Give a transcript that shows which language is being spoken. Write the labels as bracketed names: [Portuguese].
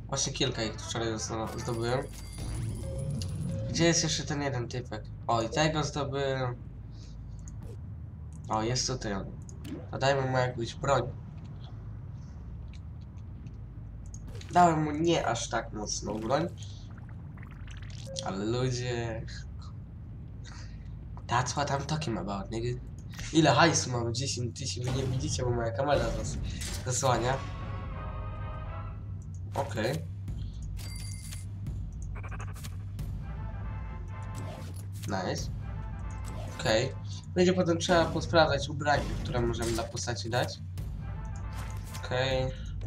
[Polish] Właśnie kilka ich wczoraj zdobyłem. Gdzie jest jeszcze ten jeden typek? O, i tego zdobyłem. O, jest tutaj on. Dodajmy mu jakąś broń. Dałem mu nie aż tak mocną broń. Ale ludzie... [English] That's what I'm talking about, nigga. [Polish] Ile hajsu mam? 10 tysięcy, wy nie widzicie, bo moja kamera zasłania. Okej. [English] Okay. Nice. Okej. Okay. [Polish] Będzie potem trzeba posprawdzać ubranie, które możemy dla postaci dać. Okej. Okay.